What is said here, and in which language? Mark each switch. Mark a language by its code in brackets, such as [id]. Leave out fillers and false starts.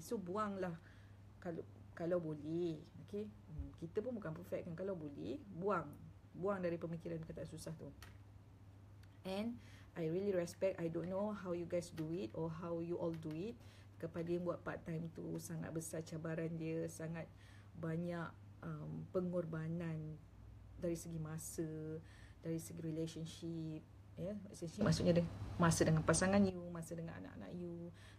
[ms] So buanglah kalau boleh. Okay, kita pun bukan perfect kan. Kalau boleh, buang dari pemikiran kata susah tu. [en] And I really respect, I don't know how you guys do it or how you all do it. [ms] Kepada yang buat part time tu, sangat besar cabaran dia, sangat banyak pengorbanan dari segi masa, dari segi relationship, relationship maksudnya dia masa dengan pasangan you, masa dengan anak-anak you.